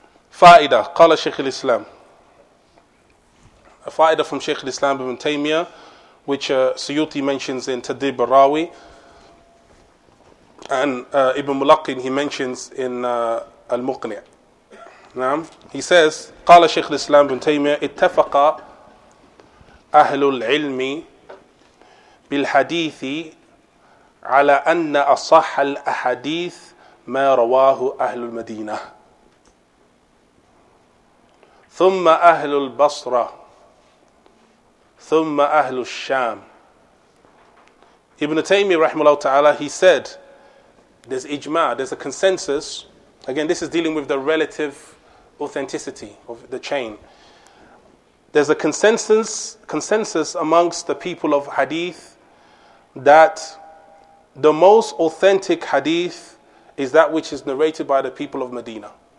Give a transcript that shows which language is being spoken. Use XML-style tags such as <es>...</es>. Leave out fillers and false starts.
<ar>Fa'ida, qala Shaykh al-Islam.</ar> <en>A fa'ida from Shaykh al-Islam ibn Taymiyyah, which Suyuti mentions in Tadib al-Rawi, and Ibn Mulaqin, he mentions in Al-Muqni'.</en> <ar>نعم.</ar> <en>He says,</en> <ar>قال شيخ الإسلام بن تيمية اتفق أهل العلم بالحديث على أن أصح الأحاديث ما رواه أهل المدينة ثم أهل البصرة ثم أهل الشام.</ar> <en>Ibn Taymi رحمه الله تعالى, he said, there's ijma, there's a consensus. Again, this is dealing with the relative authenticity of the chain. There's a consensus amongst the people of hadith that the most authentic hadith is that which is narrated by the people of Medina.</en>